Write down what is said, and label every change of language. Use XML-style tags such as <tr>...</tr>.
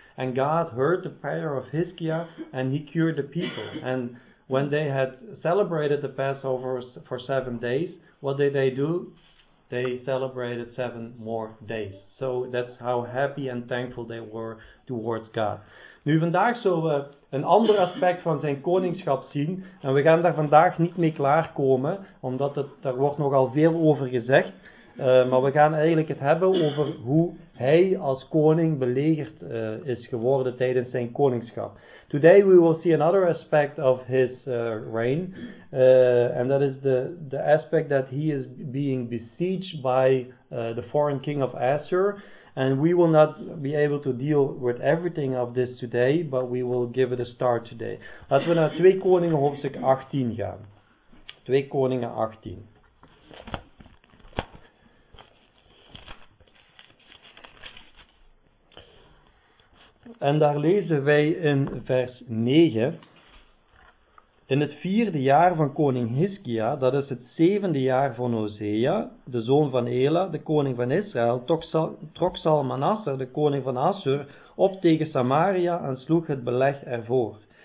<en>And God heard the prayer of Hizkia and he cured the people. And when they had celebrated the Passover for 7 days, what did they do? They celebrated 7 more days. So that's how happy and thankful they were towards God.</en> <nl>Nu, vandaag zullen we een ander aspect van zijn koningschap zien. En we gaan daar vandaag niet mee klaarkomen, omdat daar wordt nogal veel over gezegd. Maar we gaan eigenlijk het hebben over hoe hij als koning belegerd is geworden tijdens zijn koningschap.</nl> <en>Today we will see another aspect of his reign. And that is the aspect that he is being besieged by the foreign king of Assyr. And we will not be able to deal with everything of this today, but we will give it a start today.</en> <nl>Laten we naar 2 Koningen hoofdstuk 18 gaan. 2 Koningen 18. En daar lezen wij in vers 9. In het vierde jaar van koning Hiskia, dat is het zevende jaar van Hosea, de zoon van Ela, de koning van Israël, trok Salmanasser, de koning van Assur, op tegen Samaria en sloeg het beleg ervoor.</nl>